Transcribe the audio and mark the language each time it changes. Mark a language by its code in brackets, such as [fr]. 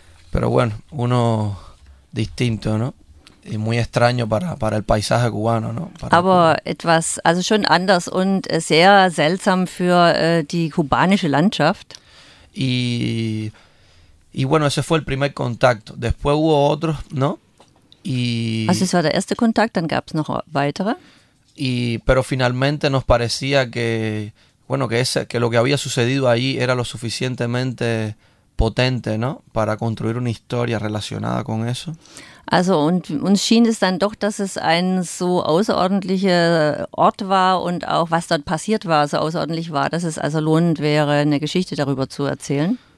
[es] Pero bueno, uno distinto, ¿no? Y muy extraño para el paisaje cubano, ¿no? [de] Aber etwas, also schon anders und sehr seltsam für die kubanische Landschaft. [es] Y bueno, ese fue el primer contacto. Después hubo otros, ¿no? [de] Also es war der erste Kontakt, dann gab es noch weitere. [es] Y pero finalmente nos parecía que bueno que lo que había sucedido allí era lo suficientemente potente, ¿no? Para construir una historia relacionada con eso. [de] Also und uns schien es dann doch, dass es ein so außerordentlicher Ort war und auch was dort passiert war, so außerordentlich war, dass es also lohnend wäre, eine Geschichte darüber zu erzählen.